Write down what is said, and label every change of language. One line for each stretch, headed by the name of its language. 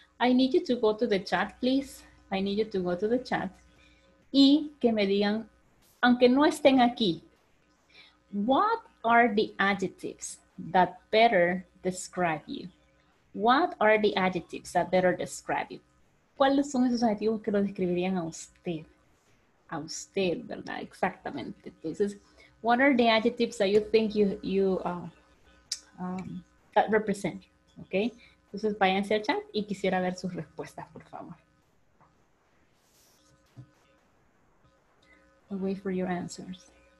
English: I need you to go to the chat, please. I need you to go to the chat.
Spanish: Y que me digan, aunque no estén aquí,
English: what are the adjectives that better describe you? What are the adjectives that better describe you?
Spanish: ¿Cuáles son esos adjetivos que lo describirían a usted? A usted, ¿verdad? Exactamente.
English: Entonces, what are the adjectives that you think that represent? ¿Ok?
Spanish: Entonces, váyanse al chat y quisiera ver sus respuestas, por favor.
English: I'll wait for your answers.